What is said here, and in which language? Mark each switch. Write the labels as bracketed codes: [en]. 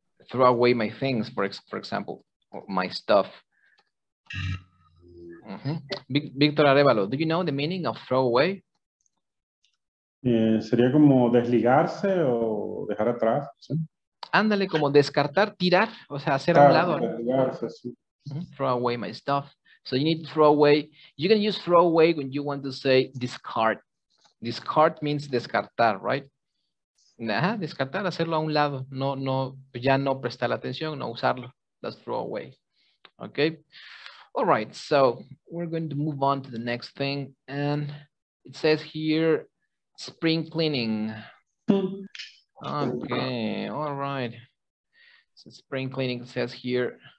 [en] Throw away my things, for example, my stuff. Víctor Arevalo, do you know the meaning of throw away? [es] Sería como desligarse o dejar atrás. Ándale, ¿sí? Como descartar, tirar, o sea, hacer a un lado. Desligarse, sí. [en] Throw away my stuff. So you need to throw away. You can use throw away when you want to say discard. Discard means descartar, right? [es] Ajá, descartar, hacerlo a un lado, ya no prestar la atención, no usarlo. [en] That's throw away. Okay. All right. So we're going to move on to the next thing. And it says here, spring cleaning. Okay. All right. So spring cleaning says here.